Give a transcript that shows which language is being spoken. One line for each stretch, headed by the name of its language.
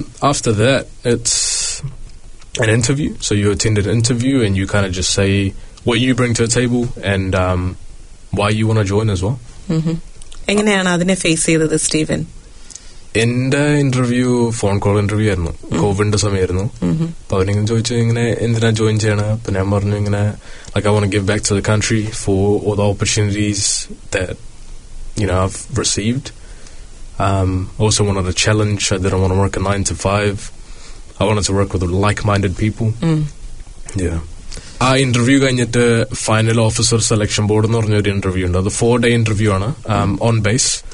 English: After that, it's an interview. So you attend an interview and you kind of just say what you bring to the table and why you want to join as well.
Malayalam: എങ്ങനെയാണ് അതിനെ face ചെയ്തത് Steven? എന്റെ interview phone call interview ആയിരുന്നു. കോവിഡിന്റെ സമയമായിരുന്നു. അപ്പൊ അവരിങ്ങനെ ചോദിച്ചു, ഇങ്ങനെ എന്തിനാ ജോയിൻ ചെയ്യണം? അപ്പൊ ഞാൻ പറഞ്ഞു, ഇങ്ങനെ
English: Like I want give back to the country for all the opportunities that you know have received. Also wanted a challenge. I didn't want to work a 9-to-5. I wanted to work with like-minded people. Yeah.
Malayalam: Interview കഴിഞ്ഞിട്ട് final officer selection board എന്ന് പറഞ്ഞൊരു interview ഉണ്ട്. അത് 4-day interview ആണ്, on base.